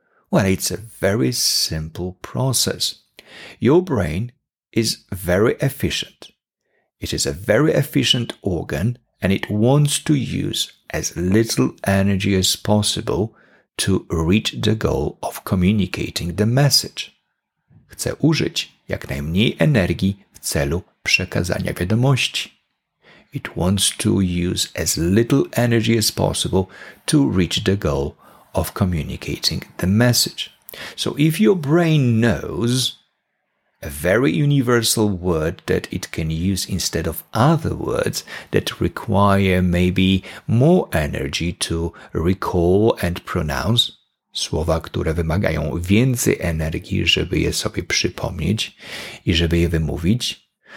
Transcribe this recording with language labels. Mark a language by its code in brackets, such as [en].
[en] Well, it's a very simple process. Your brain is very efficient. It is a very efficient organ and it wants to use as little energy as possible to reach the goal of communicating the message. [pl] Chce użyć jak najmniej energii w celu przekazania wiadomości. [en] It wants to use as little energy as possible to reach the goal of communicating the message. So if your brain knows a very universal word that it can use instead of other words that require maybe more energy to recall and pronounce, [pl] słowa, które wymagają więcej energii, żeby je sobie przypomnieć i żeby je wymówić,